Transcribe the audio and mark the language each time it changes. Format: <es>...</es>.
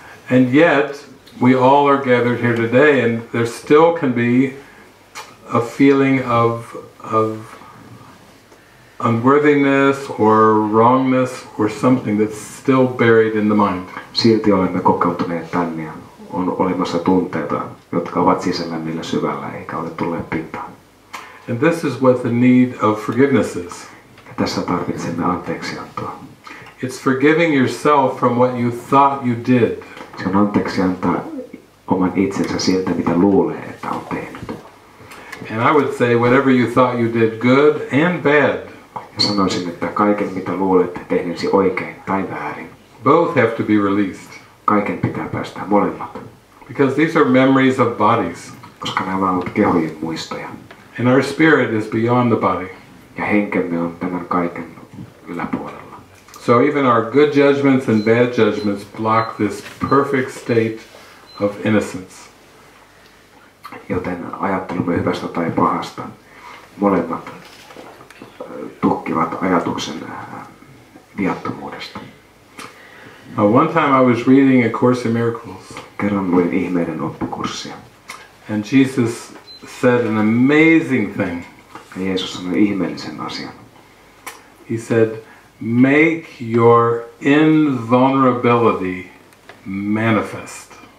<en>And yet we all are gathered here today, and there still can be a feeling of unworthiness or wrongness or something that's still buried in the mind.</en> <fi>Silti olemme kokeutuneet tänne ja on olemassa tunteita, jotka ovat sisällä meillä syvällä eikä ole tulleet pintaan.</fi> <en>And this is what the need of forgiveness is.</en> <fi>Ja tässä tarvitsemme anteeksiantoa.</fi> <en>It's forgiving yourself from what you thought you did.</en> <fi>Se on anteeksiantaa oman itsensä siltä, mitä luulee, että on tehnyt.</fi> <en>And I would say whatever you thought you did good and bad.</en> <fi>Sanoisin, että kaiken mitä luulet tehneesi oikein tai väärin.</fi> <en>Both have to be released.</en> <fi>Kaiken pitää päästä molemmat.</fi> <en>Because these are memories of bodies.</en> <fi>Koska nämä ovat kehojen muistoja.</fi> <en>And our spirit is beyond the body.</en> <fi>Ja henkemme on tämän kaiken yläpuolella.</fi> <en>So even our good judgments and bad judgments block this perfect state of innocence.</en> <fi>Joten ajattelumme hyvästä tai pahasta, molemmat tukkivat ajatuksen viattomuudesta.</fi> <en>One time I was reading A Course in Miracles.</en> <fi>Kerran luin ihmeiden oppikurssia.</fi> <en>And Jesus said an amazing thing.</en> <fi>Ja Jeesus sanoi ihmeellisen asian.</fi> <en>He said, make your invulnerability manifest.</en>